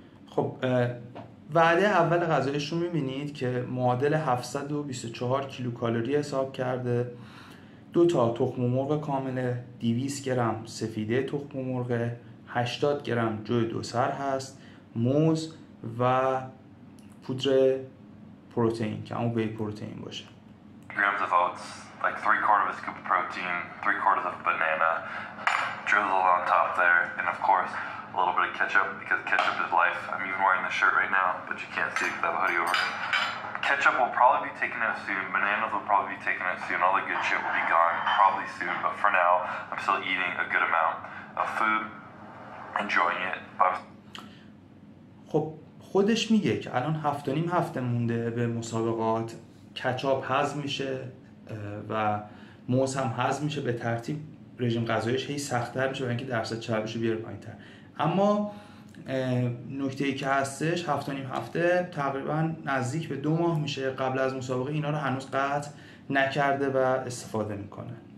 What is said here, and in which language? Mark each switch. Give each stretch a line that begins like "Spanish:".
Persian: خب وعده اول غذایش رو میبینید که معادل 724 کیلوکالری حساب کرده. 2 تا تخم مرغ کامله، 200 گرم سفیده تخم مرغ، 80 گرم جوی دو سر هست، موز و پودر پروتئین که همون وی پروتئین باشه.
English: Grams of oats, like 3/4 scoop of protein, 3/4 banana, drizzled on top there, and of course a little bit of ketchup because ketchup is life. I'm even wearing the shirt right now, but you can't see it because I have a hoodie over it. Ketchup will probably be taken out soon. Bananas will probably be taken out soon. All the good shit will be gone probably soon. But for now, I'm still eating a good amount of food, enjoying it.
Persian: خب خودش میگه که الان 7.5 هفته مونده به مسابقات. کچاپ هضم میشه و موز هم هضم میشه، به ترتیب رژیم غذاییش هی سخت‌تر میشه برای اینکه درصد چربیش رو بیاره پایین‌تر. اما نکته‌ای که هستش، 7.5 هفته تقریبا نزدیک به 2 ماه میشه قبل از مسابقه، اینا رو هنوز قطع نکرده و استفاده میکنه.